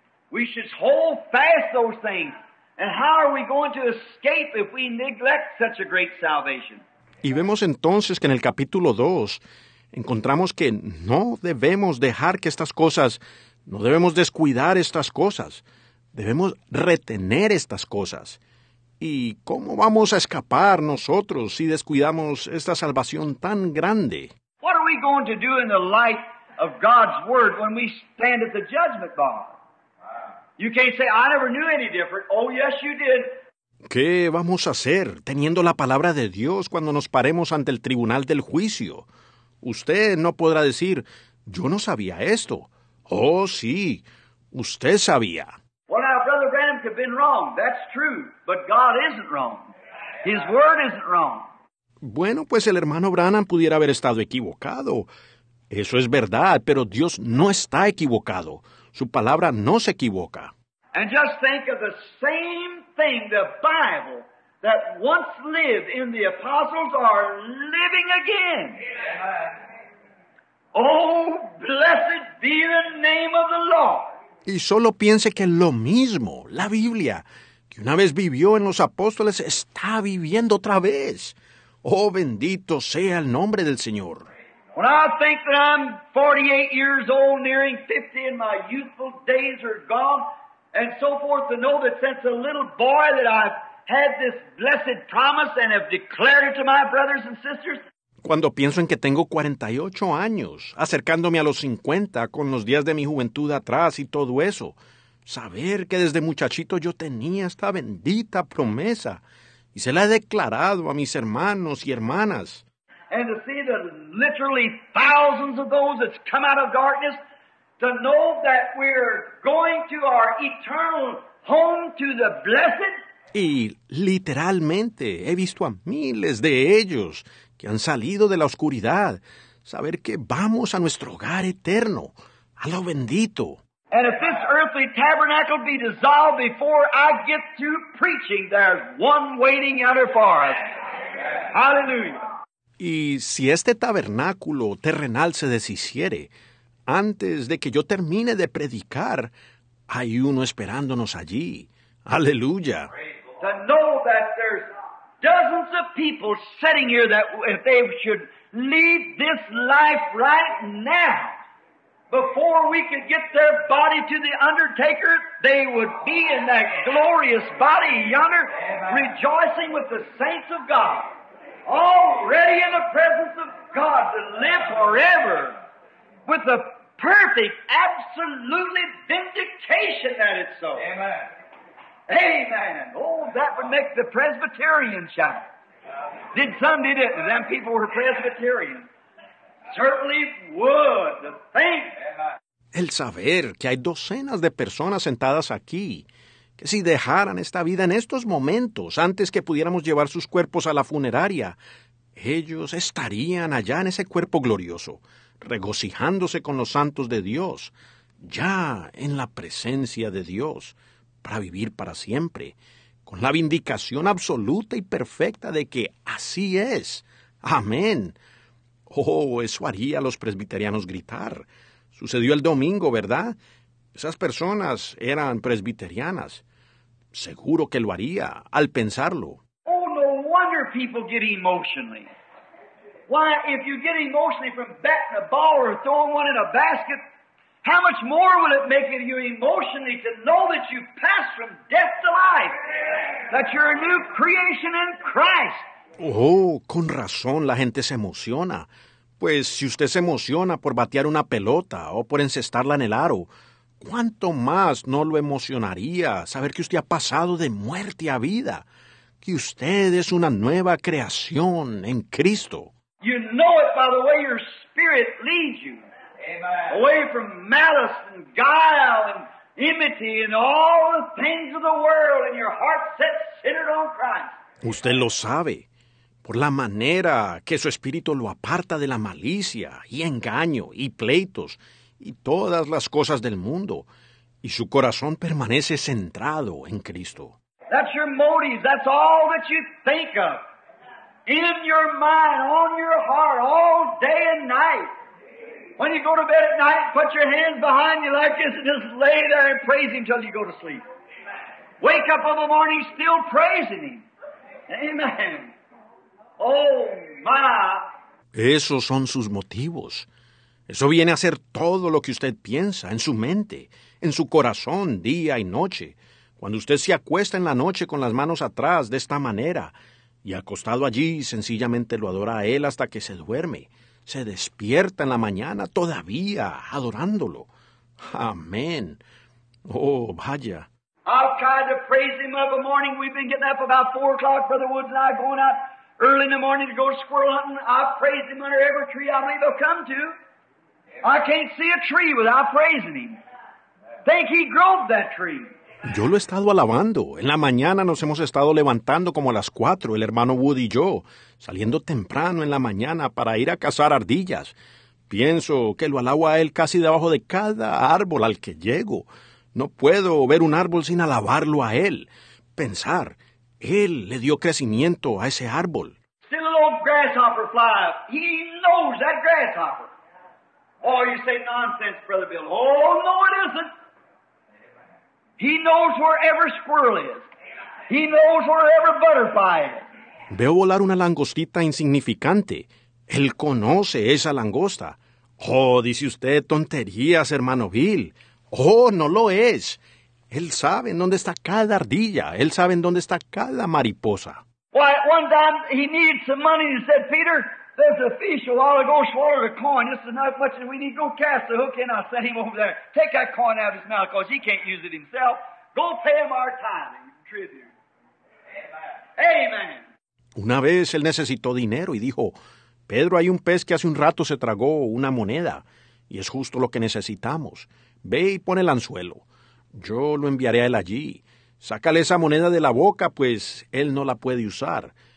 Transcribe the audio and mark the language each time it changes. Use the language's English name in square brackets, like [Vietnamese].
[English] We should hold fast those things. And how are we going to escape if we neglect such a great salvation? [Spanish] Y vemos entonces que en el capítulo 2 encontramos que no debemos dejar que estas cosas, no debemos descuidar estas cosas. Debemos retener estas cosas. ¿Y cómo vamos a escapar nosotros si descuidamos esta salvación tan grande? [English] What are we going to do in the light of God's Word when we stand at the judgment bar. Wow. You can't say, I never knew any different. Oh, yes, you did. [Spanish] ¿Qué vamos a hacer teniendo la palabra de Dios cuando nos paremos ante el tribunal del juicio? Usted no podrá decir, yo no sabía esto. Oh, sí, usted sabía. [English] Well, now, Brother Branham could have been wrong. That's true. But God isn't wrong. His Word isn't wrong. [Spanish] Bueno, pues el hermano Branham pudiera haber estado equivocado. Eso es verdad, pero Dios no está equivocado. Su palabra no se equivoca. [English] And just think of the same thing, the Bible, that once lived in the apostles are living again. Yeah. Oh, blessed be the name of the Lord. [Spanish] Y solo piense que lo mismo, la Biblia, que una vez vivió en los apóstoles, está viviendo otra vez. Oh, bendito sea el nombre del Señor. [English] When I think that I'm 48 years old, nearing 50, and my youthful days are gone, and so forth, to know that since a little boy that I've had this blessed promise and have declared it to my brothers and sisters. [Spanish] Cuando pienso en que tengo 48 años, acercándome a los 50 con los días de mi juventud atrás y todo eso, saber que desde muchachito yo tenía esta bendita promesa y se la he declarado a mis hermanos y hermanas. [English] And to see the literally thousands of those that's come out of darkness. To know that we're going to our eternal home to the blessed. [Spanish] Y literalmente he visto a miles de ellos que han salido de la oscuridad. Saber que vamos a nuestro hogar eterno, a lo bendito. [English] And if this earthly tabernacle be dissolved before I get through preaching, there's one waiting out there for us. Hallelujah. [Spanish] Y si este tabernáculo terrenal se deshiciere, antes de que yo termine de predicar, hay uno esperándonos allí. ¡Aleluya! [English] To know that there's dozens of people sitting here that if they should leave this life right now, before we could get their body to the undertaker, they would be in that glorious body yonder, rejoicing with the saints of God, already in the presence of God to live forever with the perfect, absolutely vindication that it's so. Amen. Amen. Oh, that would make the Presbyterians shout. Did some, did it? Them people were Presbyterian. Certainly would. The faith. [Spanish] El saber que hay docenas de personas sentadas aquí, que si dejaran esta vida en estos momentos, antes que pudiéramos llevar sus cuerpos a la funeraria, ellos estarían allá en ese cuerpo glorioso, regocijándose con los santos de Dios, ya en la presencia de Dios, para vivir para siempre, con la vindicación absoluta y perfecta de que así es. ¡Amén! ¡Oh, eso haría a los presbiterianos gritar! Sucedió el domingo, ¿verdad? Esas personas eran presbiterianas. Seguro que lo haría, al pensarlo. [English] ¡Oh, no wonder people get emotionally! Why, if you get emotionally from batting a ball or throwing one in a basket, how much more will it make it you emotionally to know that you passed from death to life, that you're a new creation in Christ? [Spanish] Oh, con razón la gente se emociona. Pues si usted se emociona por batear una pelota o por encestarla en el aro, ¿cuánto más no lo emocionaría saber que usted ha pasado de muerte a vida, que usted es una nueva creación en Cristo? [English] You know it by the way your spirit leads you. Amen. Away from malice and guile and enmity and all the things of the world and your heart set centered on Christ. [Spanish] Usted lo sabe, por la manera que su espíritu lo aparta de la malicia y engaño y pleitos y todas las cosas del mundo, y su corazón permanece centrado en Cristo. [English] That's your motives, that's all that you think of. In your mind, on your heart, all day and night. When you go to bed at night, put your hands behind you like this and just lay there and praise Him till you go to sleep. Amen. Wake up in the morning still praising Him. Amen. Oh, my. [Spanish] Esos son sus motivos. Eso viene a ser todo lo que usted piensa en su mente, en su corazón, día y noche. Cuando usted se acuesta en la noche con las manos atrás de esta manera, y acostado allí, sencillamente lo adora a Él hasta que se duerme, se despierta en la mañana todavía adorándolo. Amén. Oh, vaya. [English] I've tried to praise him every morning. We've been getting up about 4 o'clock, Brother Woods and I, going out early in the morning to go squirrel hunting. I've praised him under every tree I believe he'll come to. I can't see a tree without praising him. Think he drove that tree. [Spanish] Yo lo he estado alabando. En la mañana nos hemos estado levantando como a las 4, el hermano Wood y yo, saliendo temprano en la mañana para ir a cazar ardillas. Pienso que lo alabo a él casi debajo de cada árbol al que llego. No puedo ver un árbol sin alabarlo a él. Pensar, él le dio crecimiento a ese árbol. [English] Still a little grasshopper fly up. He knows that grasshopper. Oh, you say nonsense, Brother Bill. Oh, no, it isn't. He knows where every squirrel is. He knows where every butterfly is. [Spanish] Veo volar una langostita insignificante. Él conoce esa langosta. Oh, dice usted tonterías, hermano Bill. Oh, no lo es. Él sabe en dónde está cada ardilla. Él sabe en dónde está cada mariposa. [English] Why, one time he needed some money and said, Peter, there's a fish a while ago swallowed a coin. This is not much, and we need to go cast the hook in. I sent him over there. Take that coin out of his mouth, because he can't use it himself. Go pay him our time and tribute. Amen. Amen. [Spanish] Una vez él necesitó dinero y dijo, Pedro, hay un pez que hace un rato se tragó una moneda, y es justo lo que necesitamos. Ve y pon el anzuelo. Yo lo enviaré a él allí. Sácale esa moneda de la boca, pues él no la puede usar.